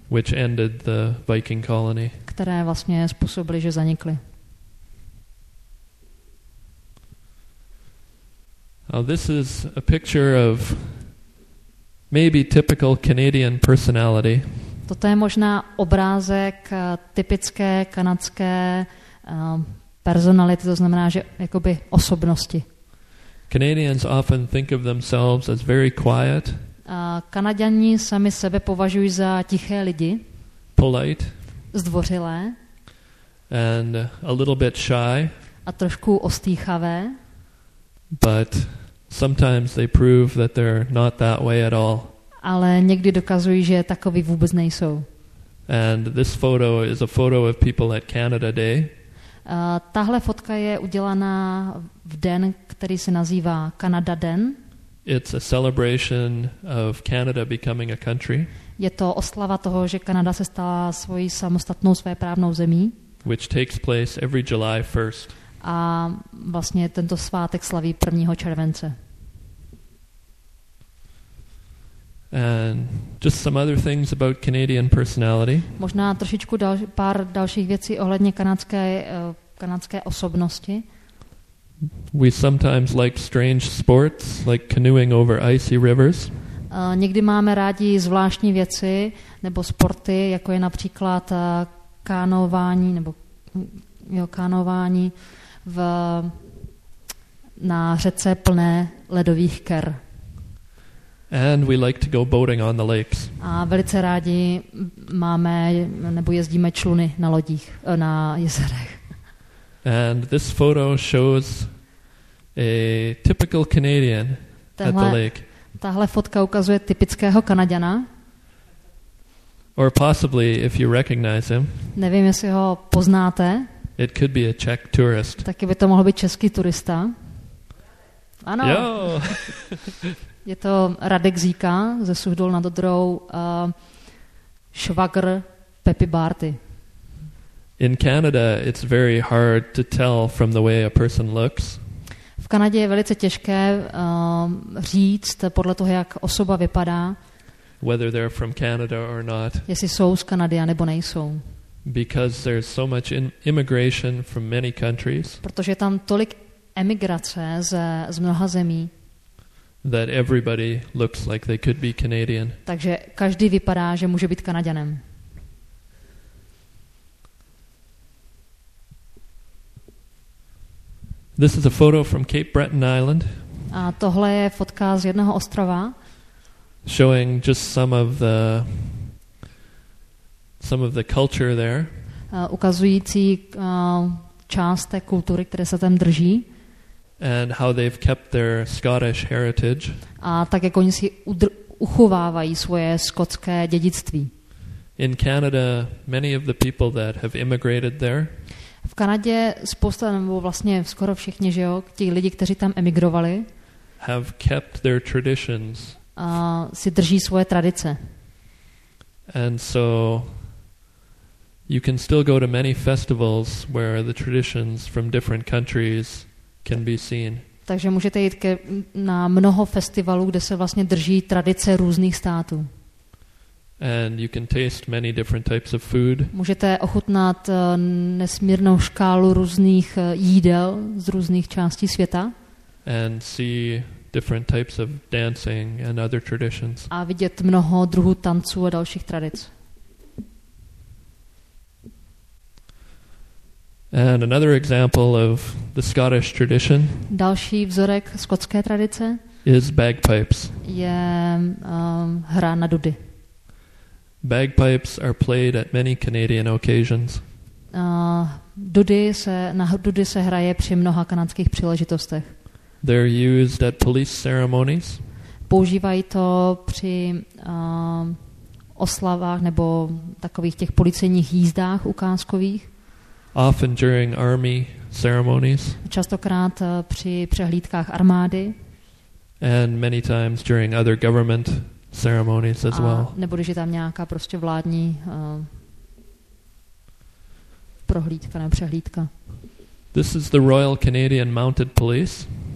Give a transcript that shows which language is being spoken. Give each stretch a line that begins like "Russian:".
English: which ended the Viking colony,
Czech: které vlastně způsobily, že zanikly.
English: Now this is a picture of maybe typical Canadian personality.
Czech: Toto je možná obrázek typické kanadské personality, to znamená, že jakoby osobnosti.
English: Canadians often think of themselves as very quiet.
Czech: Kanaďani sami sebe považují za tiché lidi.
English: Polite.
Czech: Zdvořilé.
English: And a little bit shy.
Czech: A trošku ostýchavé.
English: But sometimes they prove that they're not that way at all.
Czech: Ale někdy dokazují, že takoví vůbec nejsou.
English: And this photo is a photo of people at Canada Day.
Czech: Tahle fotka je udělaná v den, který se nazývá Canada Den.
English: It's a celebration of Canada becoming a country.
Czech: Je to oslava toho, že Kanada se stala svojí samostatnou svéprávnou zemí.
English: Which takes place every July 1st.
Czech: A vlastně tento svátek slaví 1. července.
English: And just some other things about Canadian personality.
Czech: Možná trošičku pár dalších věcí ohledně kanadské osobnosti.
English: We sometimes like strange sports, like canoeing over icy rivers.
Czech: Někdy máme rádi zvláštní věci nebo sporty, jako je například kánování nebo kánování na řece plné ledových ker.
English: And we like to go boating on the lakes.
Czech: A velice rádi máme nebo jezdíme čluny na lodích na jezerech.
English: And this photo shows a typical Canadian at the lake.
Czech: Tahle fotka ukazuje typického Kanaďana.
English: Or possibly if you recognize him.
Czech: Nevím, jestli ho poznáte.
English: It could be a Czech tourist.
Czech: Taky by to mohl být český turista. Ano. Jo. Je to Radek Zíka ze Suchdol nad Odrou, švagr Pepi Bárty.
English: In Canada, it's very hard to tell from the way a person looks.
Czech: V Kanadě je velice těžké říct podle toho, jak osoba vypadá.
English: Whether they're from Canada or not.
Czech: Jestli jsou z Kanady nebo nejsou.
English: Because there's so much immigration from many countries.
Czech: Protože je tam tolik emigrace z mnoha zemí.
English: That everybody looks like they could be Canadian.
Czech: Takže každý vypadá, že může být Kanaďanem.
English: This is a photo from Cape Breton Island.
Czech: A tohle je fotka z jednoho ostrova.
English: Showing just some of the culture there.
Czech: Ukazující část té kultury, které se tam drží.
English: And how they've kept their Scottish heritage.
Czech: A tak jak oni si uchovávají svoje skotské dědictví.
English: In Canada, many of the people that have immigrated there.
Czech: V Kanadě spousta, nebo vlastně skoro všichni, že jo, ti lidi, kteří tam emigrovali,
English: have kept their traditions.
Czech: A si drží svoje tradice.
English: And so you can still go to many festivals where the traditions from different countries can be seen.
Czech: Takže můžete jít na mnoho festivalů, kde se vlastně drží tradice různých států.
English: And you can taste many different types of food.
Czech: Můžete ochutnat nesmírnou škálu různých jídel z různých částí světa.
English: And see different types of dancing and other traditions.
Czech: A vidět mnoho druhů tanců a dalších tradic.
English: And another example of the Scottish tradition.
Czech: Další vzorek skotské tradice.
English: Is bagpipes.
Czech: Je hra na dudy.
English: Bagpipes are played at many Canadian occasions.
Czech: Dudy se hraje při mnoha kanadských příležitostech.
English: They're used at police ceremonies.
Czech: Používají to při oslavách nebo takových těch policejních jízdách ukázkových.
English: Often during army ceremonies.
Czech: Častokrát při přehlídkách armády.
English: And many times during other government ceremonies as well.
Czech: Nebo když je tam nějaká prostě vládní prohlídka nebo přehlídka.
English: This is the Royal Canadian Mounted Police.